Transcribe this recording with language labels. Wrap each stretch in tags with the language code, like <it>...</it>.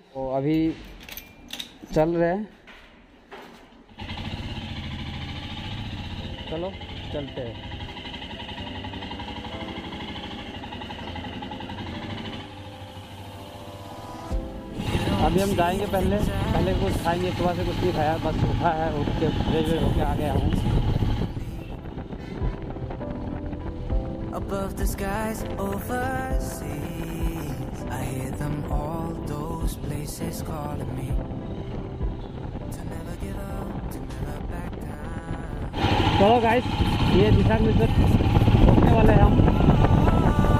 <hi>तो अभी चल रहे हैं, चलो चलते हैं। अभी हम जाएंगे, पहले कुछ खाएंगे, सुबह से कुछ नहीं खाया, बस उठा है, उठ के फ्रेश वेश होके आ गया हूँ।</hi> <en>Above the skies overseas, I hear them all those places calling me to never give up, to never back down.</en> <hi>चलो गाइस, ये दिशांग रिसोर्ट घूमने वाले हैं हम।</hi>